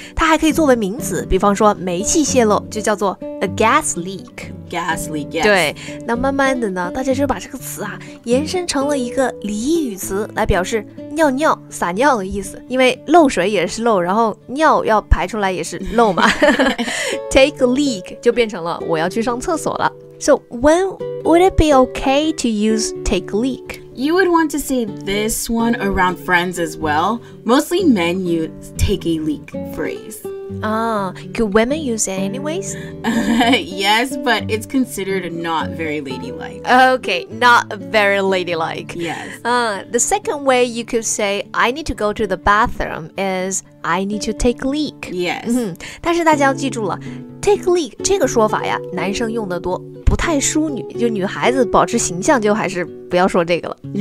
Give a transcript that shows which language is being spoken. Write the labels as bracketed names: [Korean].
[Chinese] 它还可以作为名词，比方说煤气泄露就叫做 [English] a gas leak. Gas leak. Yes. [Chinese] 对，那慢慢的呢，大家就把这个词啊延伸成了一个俚语词来表示尿尿、撒尿的意思，因为漏水也是漏，然后尿要排出来也是漏嘛。 [English] Take a leak [Chinese] 就变成了我要去上厕所了。 [English] So when would it be okay to use take a leak? You would want to say this one around friends as well. Mostly men use take a leak phrase. Ah, could women use it anyways? Yes, but it's considered not very ladylike. Okay, not very ladylike. Yes. The second way you could say I need to go to the bathroom is I need to take a leak. Yes. [Chinese] 但是大家要记住了 [English] Take leak [Chinese] 这个说法呀，男生用的多，不太淑女，就女孩子保持形象就还是不要说这个了。